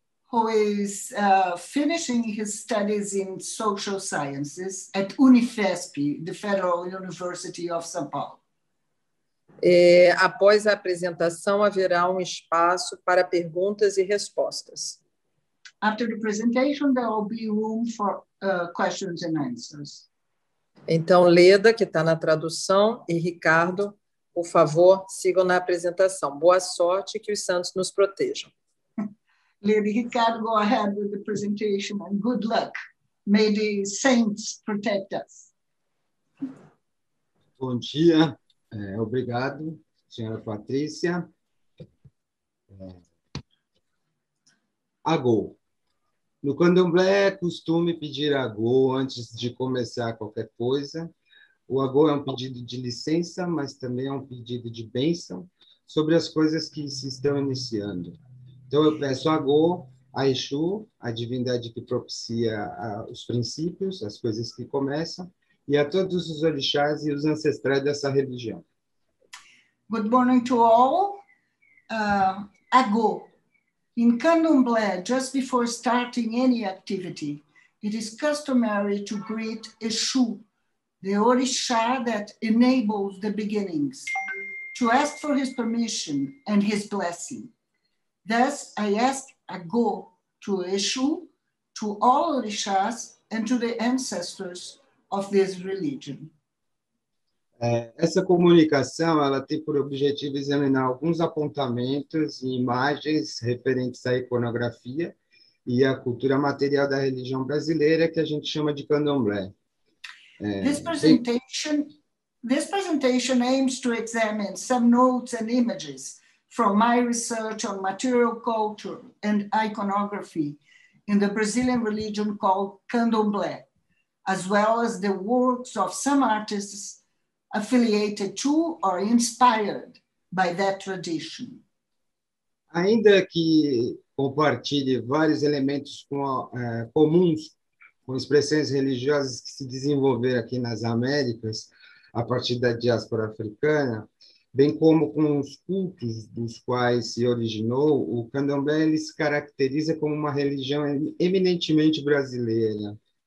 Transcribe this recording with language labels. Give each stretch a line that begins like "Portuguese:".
English: Who is finishing his studies in social sciences at Unifesp, the Federal University of São Paulo.
Portuguese: Após a apresentação, haverá um espaço para perguntas e respostas.
English: After the presentation, there will be room for questions and answers.
Portuguese: Então, Leda, que está na tradução, e Ricardo, por favor, sigam na apresentação. Boa sorte, que os santos nos protejam.
English: Leda, Ricardo, go ahead with the presentation and good luck. May the saints protect us.
Portuguese: Bom dia. Obrigado, senhora Patrícia. Agô. No candomblé é costume pedir agô antes de começar qualquer coisa. O agô é um pedido de licença, mas também é um pedido de bênção sobre as coisas que se estão iniciando. Então, eu peço agô a Exu, a divindade que propicia os princípios, as coisas que começam, e a todos os orixás e os ancestrais dessa religião.
English: Good morning to all. Agô. In Candomblé, just before starting any activity, it is customary to greet Exu, the orisha that enables the beginnings, to ask for his permission and his blessing. Thus, I ask ago to Exu, to all orixás and to the ancestors of this religion.
Portuguese: Essa comunicação ela tem por objetivo examinar alguns apontamentos e imagens referentes à iconografia e à cultura material da religião brasileira, que a gente chama de candomblé.
English: This presentation aims to examine some notes and images from my research on material culture and iconography in the Brazilian religion called candomblé, as well as the works of some artists affiliated to or inspired by that tradition.
Portuguese: Ainda que compartilhe vários elementos comuns com expressões religiosas que se desenvolveram aqui nas Américas a partir da diáspora africana, bem como com os cultos dos quais se originou, o candomblé se caracteriza como uma religião eminentemente brasileira.